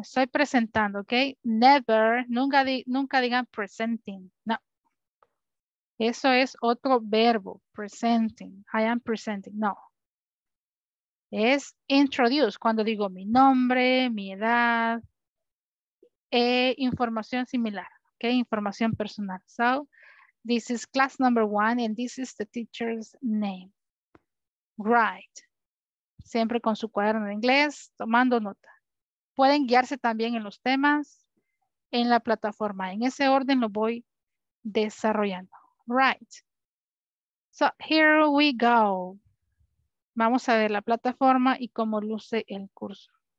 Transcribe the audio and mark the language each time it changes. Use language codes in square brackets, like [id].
[es] Estoy presentando, ¿ok? [en] Never, [es] nunca digan presenting. No. Eso es otro verbo, presenting. [en] I am presenting. [es] No. Es introduce, cuando digo mi nombre, mi edad, información similar, ¿ok? Información personal. [en] So, this is class number one, and this is the teacher's name. Right. [es] Siempre con su cuaderno de inglés, tomando nota. Pueden guiarse también en los temas, en la plataforma. En ese orden lo voy desarrollando. [en] Right. So here we go. [es] Vamos a ver la plataforma y cómo luce el curso.